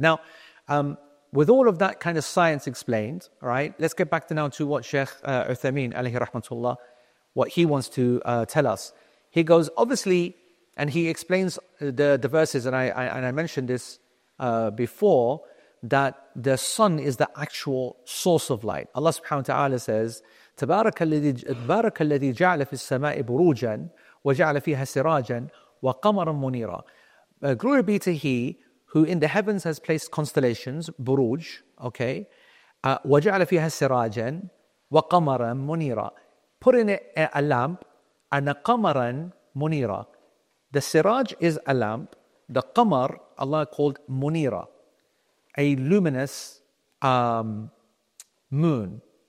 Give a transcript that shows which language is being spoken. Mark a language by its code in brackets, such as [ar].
[en] Now, with all of that kind of science explained, right, let's get back to now to what Sheikh Uthaymeen, alayhi rahmatullah, what he wants to tell us. He goes, obviously, and he explains the verses, and I mentioned this before, that the sun is the actual source of light. [ar] Allah subhanahu wa ta'ala says, تَبَارَكَ الَّذِي جَعْلَ فِي السَّمَاءِ بُرُوجًا وَجَعْلَ فِيهَا سِرَاجًا وَقَمَرًا مُنِيرًا. [en] Glory be to He who in the heavens has placed constellations, buruj, okay, [ar] وَجَعْلَ فِيهَا سِرَاجًا وَقَمَرًا مُنِيرًا. [en] Put in it a lamp, and a qamaran munira. The siraj is a lamp, the qamar, Allah called munira, a luminous moon.